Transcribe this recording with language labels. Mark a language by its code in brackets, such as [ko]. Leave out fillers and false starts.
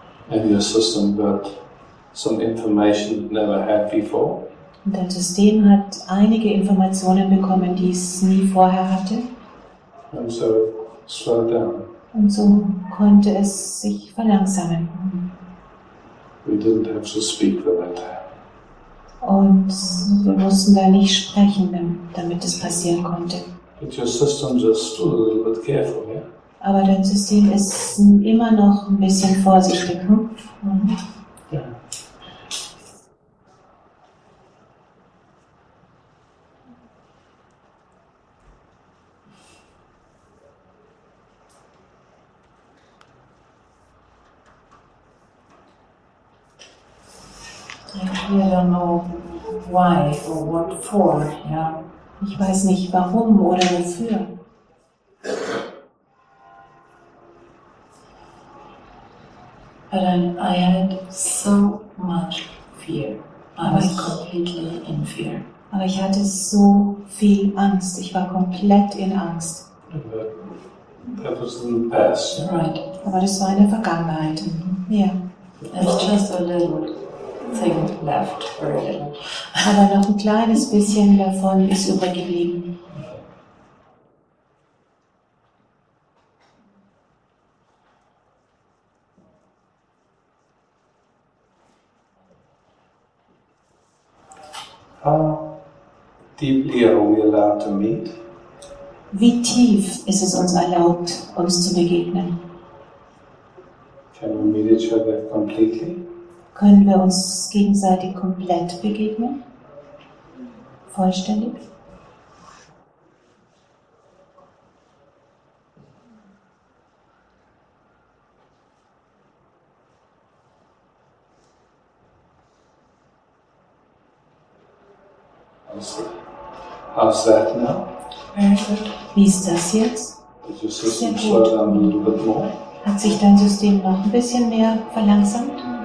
[en] And your system got some information it never had before. [de] Und dein System hat einige Informationen bekommen, die es nie vorher hatte. [en] And so slowed down. [de] Und so konnte es sich verlangsamen. [en] We didn't have to speak for that. [de] Und wir mussten da nicht sprechen, damit es passieren konnte. [en] But your system just a little bit careful, yeah? [de] Aber dein System ist immer noch ein bisschen vorsichtig. Hm? [en] Yeah. I don't know why or what for. Yeah. [de] Ich weiß nicht, warum oder wofür. [en] But I had so much fear. I was completely in fear. [de] Aber ich hatte so viel Angst. Ich war komplett in Angst. [en] That was in the past. [de] Right. Aber das war in der Vergangenheit. Yeah. [en] It's just a little thing left, very little. [de] Aber noch ein kleines bisschen davon ist übrig geblieben. [en] How deeply are we allowed to meet? [de] Wie tief ist es uns erlaubt, uns zu begegnen? [en] Can we meet each other completely? [de] Können wir uns gegenseitig komplett begegnen? Vollständig? [en] How's that now? Very good. [de] Wie ist das jetzt? [en] Did your system slow down a little bit more? [de] Hat sich dein System noch ein bisschen mehr verlangsamt?